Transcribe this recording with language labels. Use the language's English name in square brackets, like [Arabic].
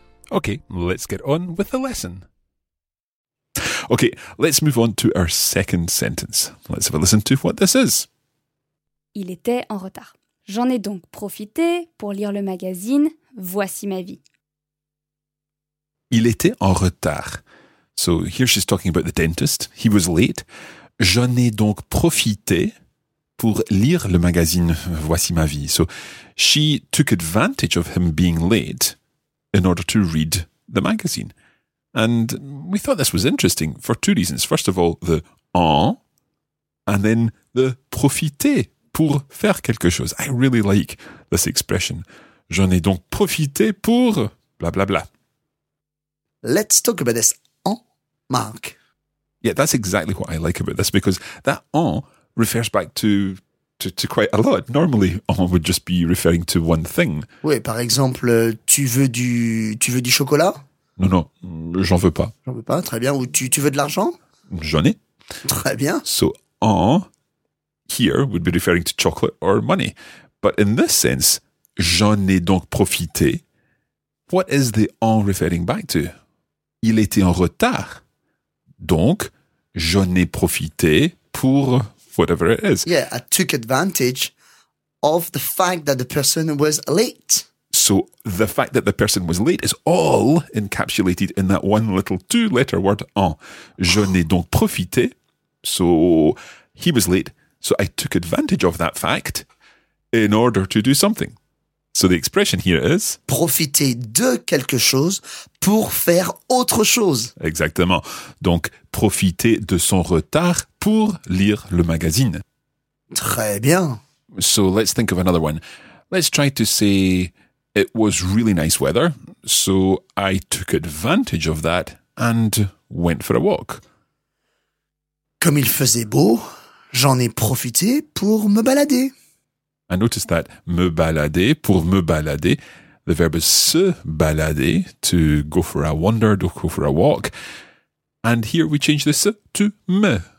[English] Okay, let's get on with the lesson. Okay, let's move on to our second sentence. Let's have a listen to what this is. [French] Il était en retard. J'en ai donc profité pour lire le magazine. Voici ma vie. Il était en retard. [English] So here she's talking about the dentist. He was late. [French] J'en ai donc profité pour lire le magazine. Voici ma vie. [English] So she took advantage of him being late in order to read the magazine. And we thought this was interesting for two reasons. First of all, the en, and then the profiter, [French] pour faire quelque chose. [English] I really like this expression. [French] J'en ai donc profité pour blah, blah, blah. [English] Let's talk about this en, Mark. Yeah, that's exactly what I like about this, because that en refers back to quite a lot. Normally, on would just be referring to one thing. [French] Oui, par exemple, tu veux du chocolat? Non, non, j'en veux pas. J'en veux pas, très bien. Ou tu veux de l'argent? J'en ai. Très bien. [English] So, en here would be referring to chocolate or money. But in this sense, [French] j'en ai donc profité. [English] What is the en referring back to? [French] Il était en retard. Donc, j'en ai profité pour [English] whatever it is. Yeah, I took advantage of the fact that the person was late. So, the fact that the person was late is all encapsulated in that one little two-letter word, en. [French] Je n'ai donc profité. [English] So, he was late. So, I took advantage of that fact in order to do something. So, the expression here is... [French] Profiter de quelque chose pour faire autre chose. Exactement. Donc, profiter de son retard pour lire le magazine. Très bien. [English] So, let's think of another one. Let's try to say... It was really nice weather, so I took advantage of that and went for a walk. [French] Comme il faisait beau, j'en ai profité pour me balader. [English] I noticed that me balader, pour me balader, the verb is se balader, to go for a wander, to go for a walk. And here we change the se to me.